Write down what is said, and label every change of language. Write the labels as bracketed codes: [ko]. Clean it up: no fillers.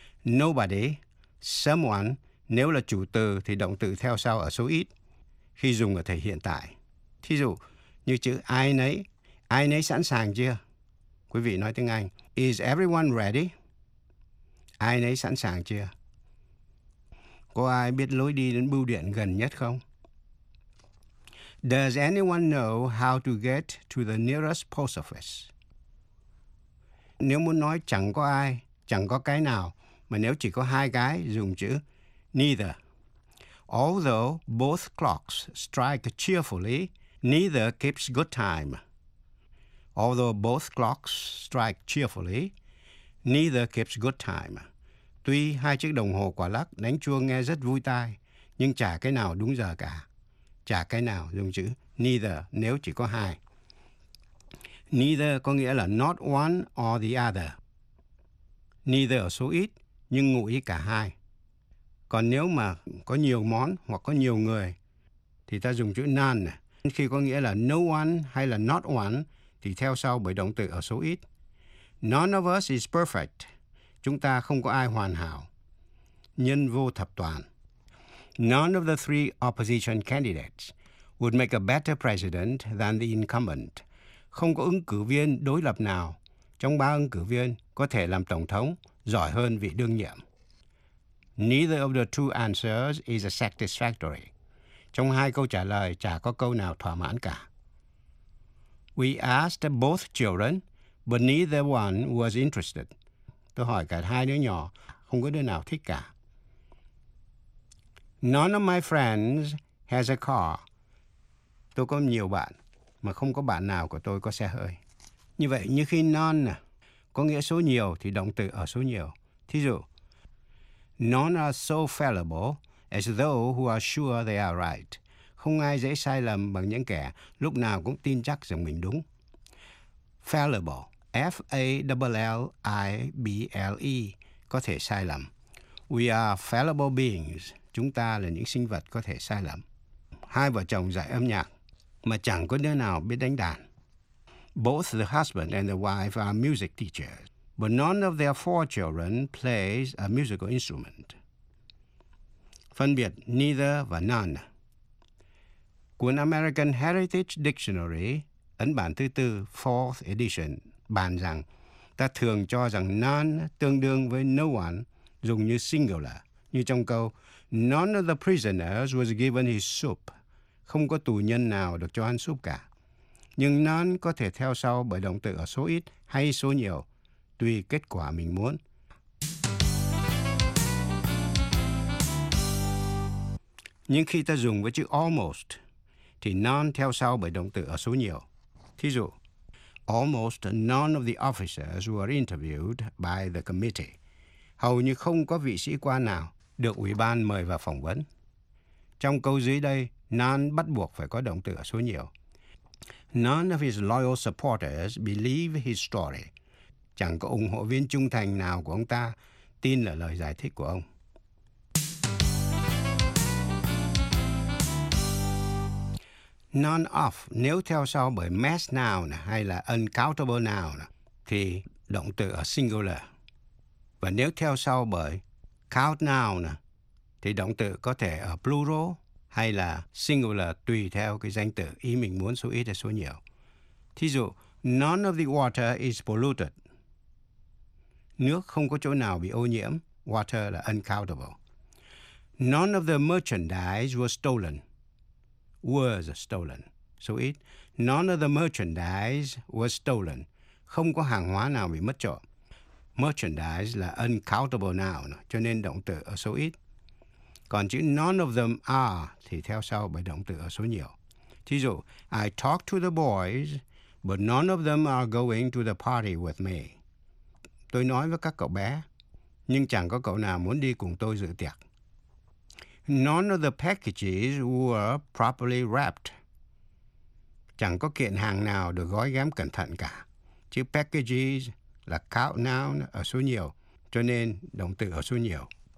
[vi] Nobody, someone, nếu là chủ từ thì động từ theo sau ở số ít khi dùng ở thể hiện tại. Thí dụ như chữ ai nấy sẵn sàng chưa? Quý vị nói tiếng Anh, [en] is everyone ready? [vi] Ai nấy sẵn sàng chưa? Có ai biết lối đi đến bưu điện gần nhất không? [en] Does anyone know how to get to the nearest post office? [vi] Nếu muốn nói chẳng có ai, chẳng có cái nào, mà nếu chỉ có hai cái, dùng chữ neither. [en] Although both clocks strike cheerfully, neither keeps good time. Although both clocks strike cheerfully, neither keeps good time. [vi] Tuy hai chiếc đồng hồ quả lắc đánh chuông nghe rất vui tai, nhưng chả cái nào đúng giờ cả. Chả cái nào dùng chữ neither nếu chỉ có hai. Neither có nghĩa là [en] not one or the other. [vi] Neither ở số ít, nhưng ngụ ý cả hai. Còn nếu mà có nhiều món hoặc có nhiều người, thì ta dùng chữ none. Khi có nghĩa là no one hay là not one, thì theo sau bởi động từ ở số ít. [en] None of us is perfect. [vi] Chúng ta không có ai hoàn hảo. Nhân vô thập toàn. [en] None of the three opposition candidates would make a better president than the incumbent. [vi] Không có ứng cử viên đối lập nào trong ba ứng cử viên có thể làm tổng thống giỏi hơn vị đương nhiệm. [en] Neither of the two answers is a satisfactory. [vi] Trong hai câu trả lời chả có câu nào thỏa mãn cả. [en] We asked both children, but neither one was interested. [vi] Tôi hỏi cả hai đứa nhỏ, không có đứa nào thích cả. [en] None of my friends has a car. [vi] Tôi có nhiều bạn, mà không có bạn nào của tôi có xe hơi. Như vậy, như khi none có nghĩa số nhiều thì động từ ở số nhiều. [en] Thí dụ, none are so fallible as those who are sure they are right. [vi] Không ai dễ sai lầm bằng những kẻ lúc nào cũng tin chắc rằng mình đúng. Fallible, F-A-L-L-I-B-L-E, có thể sai lầm. [en] We are fallible beings. [vi] Chúng ta là những sinh vật có thể sai lầm. Hai vợ chồng dạy âm nhạc, mà chẳng có đứa nào biết đánh đàn. [en] Both the husband and the wife are music teachers, but none of their four children plays a musical instrument. [vi] Phân biệt neither và none. Cuốn American Heritage Dictionary, ấn bản thứ tư, fourth edition, bàn rằng ta thường cho rằng none tương đương với no one, dùng như singular, như trong câu [en] none of the prisoners was given his soup. [vi] Không có tù nhân nào được cho ăn súp cả. Nhưng none có thể theo sau bởi động từ ở số ít hay số nhiều, tùy kết quả mình muốn. Nhưng khi ta dùng với chữ almost, thì none theo sau bởi động từ ở số nhiều. [en] Thí dụ, almost none of the officers were interviewed by the committee. [vi] Hầu như không có vị sĩ quan nào được ủy ban mời vào phỏng vấn. Trong câu dưới đây, none bắt buộc phải có động từ ở số nhiều. [en] None of his loyal supporters believe his story. [vi] Chẳng có ủng hộ viên trung thành nào của ông ta tin là lời giải thích của ông. None of, nếu theo sau bởi mass noun hay là uncountable noun, thì động từ ở singular. Và nếu theo sau bởi count noun, thì động từ có thể ở plural hay là singular tùy theo cái danh từ ý mình muốn số ít hay số nhiều. [en] Thí dụ, none of the water is polluted. [vi] Nước không có chỗ nào bị ô nhiễm. [en] Water là uncountable. None of the merchandise was stolen. Was stolen. So it, none of the merchandise was stolen. [vi] Không có hàng hóa nào bị mất trộm. Merchandise là uncountable noun, cho nên động từ ở số ít. Còn chữ none of them are thì theo sau bởi động từ ở số nhiều. [en] Thí dụ, I talked to the boys, but none of them are going to the party with me. [vi] Tôi nói với các cậu bé, nhưng chẳng có cậu nào muốn đi cùng tôi dự tiệc. [en] None of the packages were properly wrapped. [vi] Chẳng có kiện hàng nào được gói ghém cẩn thận cả. Chữ packages là count noun ở số nhiều, cho nên động từ ở số nhiều.